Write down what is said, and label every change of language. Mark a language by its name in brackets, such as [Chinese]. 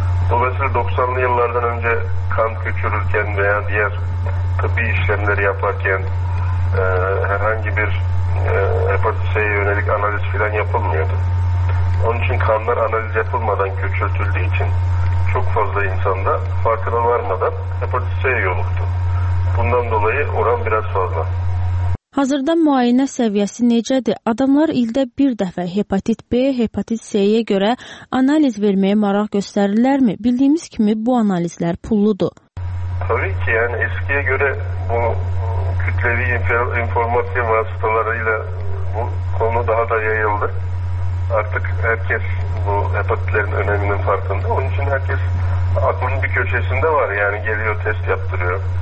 [Turkish] Dolayısıyla 90'lı yıllardan önce kan küçülürken veya diğer tıbbi işlemleri yaparken herhangi bir hepatit C'ye yönelik analiz filan yapılmıyordu. Onun için kanlar analiz yapılmadan küçültüldüğü için çok fazla insanda farkına varmadan hepatit C'ye yoluktu. Bundan dolayı oran biraz fazla. [Azerbaijani] Hazırda müayinə səviyyəsi necədir? Adamlar ildə bir dəfə hepatit B, hepatit C-yə görə analiz verməyə maraq göstərirlərmi? Bildiyimiz kimi bu analizlər pulludur. [Turkish] Tabii ki, yani eskiye göre bu [Azerbaijani] kütləvi informasiya vasıtalarıyla [Turkish] bu konu daha da yayıldı. Artık herkes bu hepatitlerin öneminin farkında. Onun için herkes aklının bir köşesinde var. Yani geliyor, test yaptırıyor.